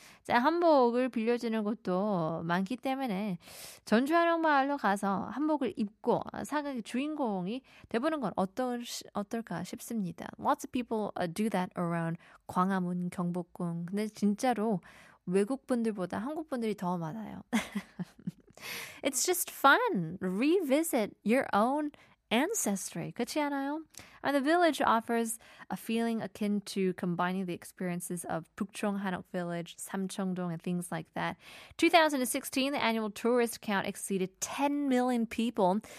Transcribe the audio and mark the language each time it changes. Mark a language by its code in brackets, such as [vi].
[ko] 자, 한복을 빌려주는 곳도 많기 때문에 전주 한옥마을로 가서 한복을 입고 사극의 주인공이 돼보는 건 어떨까 싶습니다. [en] Lots of people do that around 광화문, 경복궁. [ko] 근데 진짜로 외국 분들보다 한국 분들이 더 많아요. [en] It's just fun. Revisit your own ancestry, [ko] 그렇지 않아요? [en] And the village offers a feeling akin to combining the experiences of Pukchong Hanok Village, Samcheongdong, and things like that. 2016, the annual tourist count exceeded 10 million people.